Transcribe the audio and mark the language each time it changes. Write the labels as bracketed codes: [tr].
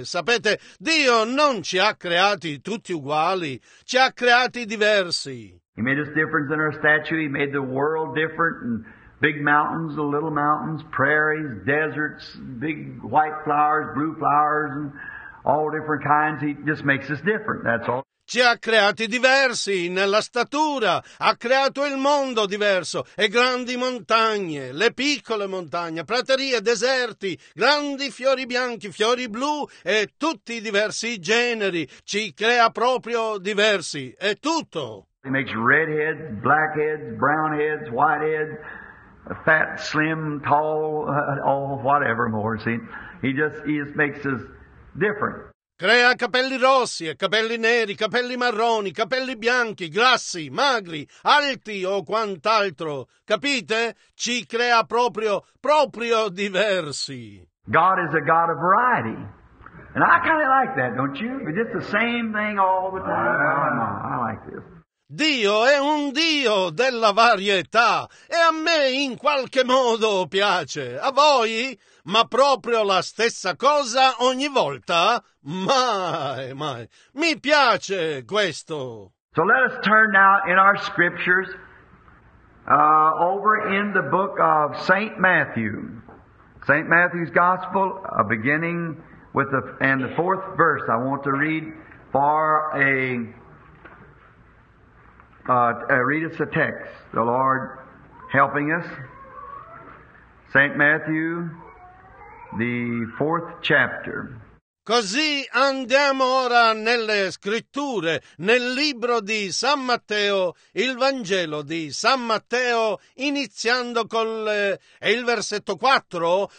[it] Sapete, Dio non ci ha creati tutti uguali, ci ha creati diversi. [en] He made us different than our statue, he made the world different, and big mountains, the little mountains, prairies, deserts, big white flowers, blue flowers, and all different kinds. He just makes us different, that's all. [it] Ci ha creati diversi nella statura, ha creato il mondo diverso, e grandi montagne, le piccole montagne, praterie, deserti, grandi fiori bianchi, fiori blu, e tutti i diversi generi, ci crea proprio diversi, è tutto. [en] He makes redheads, blackheads, brownheads, whiteheads, fat, slim, tall, whatever more. See, he just makes us different. [it] Crea capelli rossi e capelli neri, capelli marroni, capelli bianchi, grassi, magri, alti o quant'altro. Capite? Ci crea proprio diversi. [en] God is a God of variety. And I kind of like that, don't you? It's just the same thing all the time. I like this. [it] Dio è un Dio della varietà e a me in qualche modo piace. A voi? Ma proprio la stessa cosa ogni volta? Mai. Mi piace questo. [en] So let us turn now in our scriptures over in the book of St. Matthew. St. Matthew's Gospel, beginning with the fourth verse I want to read for read us a text, the Lord helping us. St. Matthew, the fourth chapter. [it] Così andiamo ora nelle scritture, nel libro di San Matteo, il Vangelo di San Matteo, iniziando con il versetto 4.